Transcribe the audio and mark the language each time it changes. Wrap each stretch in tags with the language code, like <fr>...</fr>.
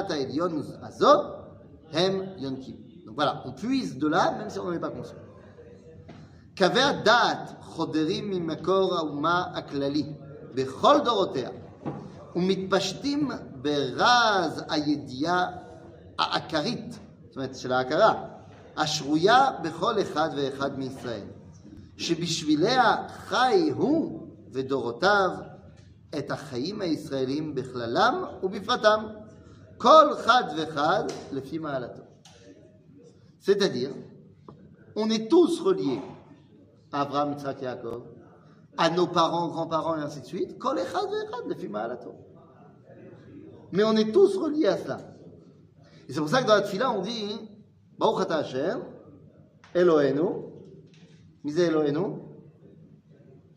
<fr>Donc voilà, on puise de là, même si on n'en est pas conscient.</fr> <he>קווי הדעת חודרים ממקור האומה הכללי בכל דורותיה ומתפשטים ברז הידיעה העקרית, זאת אומרת של ההכרה, השרויה בכל אחד ואחד מישראל, שבשביליה חי הוא ודורותיו את החיים הישראלים בכללם ובפרטם, כל חד וחד לפי מעלתו.</he> <fr>C'est à dire, on est tous reliés Abraham, Yitzhak, Yaakov, à nos parents, grands-parents, et ainsi de suite,</fr> <he>kol echad ve'echad, lefi ma'alato.</he> <fr>Mais on est tous reliés à cela. Et c'est pour ça que dans la tefila, on dit «</fr> <he>Baruch Ata Hashem, Eloheinu, Mise Eloheinu ».</he>